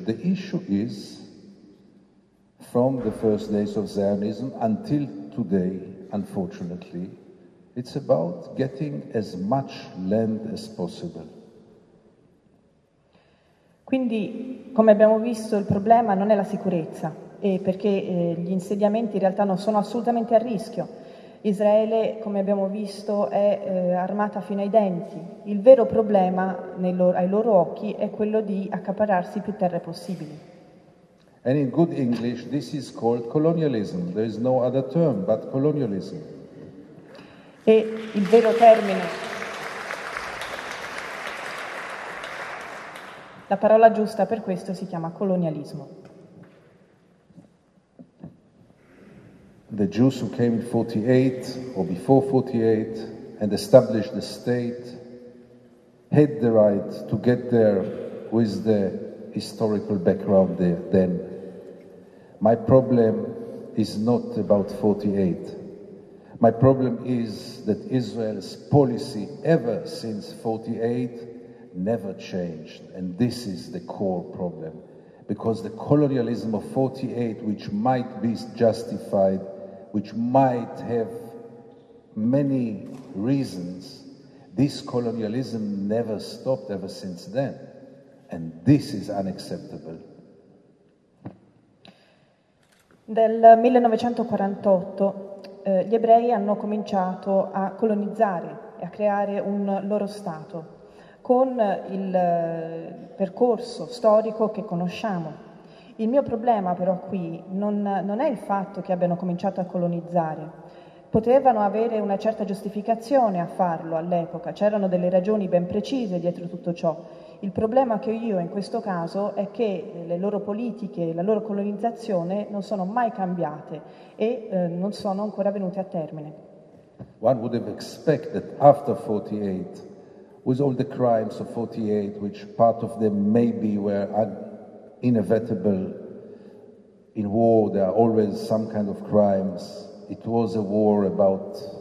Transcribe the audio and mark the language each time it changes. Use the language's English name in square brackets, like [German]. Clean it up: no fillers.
[English] The issue is, from the first days of Zionism until today, unfortunately, it's about getting as much land as possible. [Italian] Quindi, come abbiamo visto, il problema non è la sicurezza, perché gli insediamenti in realtà non sono assolutamente a rischio. Israele, come abbiamo visto, è armata fino ai denti. Il vero problema, ai loro occhi, è quello di accaparrarsi più terre possibili. [English] And in good English, this is called colonialism. There is no other term but colonialism. [Italian] E il vero termine... La parola giusta per questo si chiama colonialismo. [English] The Jews who came in 48 or before 48 and established the state, had the right to get there with the historical background there then. My problem is not about 48. My problem is that Israel's policy ever since 48 never changed. And this is the core problem. Because the colonialism of 48, which might be justified, which might have many reasons, this colonialism never stopped ever since then. And this is unacceptable. [Italian] Del 1948 gli ebrei hanno cominciato a colonizzare e a creare un loro Stato con il percorso storico che conosciamo. Il mio problema però qui non è il fatto che abbiano cominciato a colonizzare. Potevano avere una certa giustificazione a farlo all'epoca, c'erano delle ragioni ben precise dietro tutto ciò. Il problema che io in questo caso è che le loro politiche, la loro colonizzazione non sono mai cambiate e non sono ancora venute a termine. [English] One would have expected that after 48, with all the crimes of 48, which part of them maybe were inevitable, in war there are always some kind of crimes, it was a war about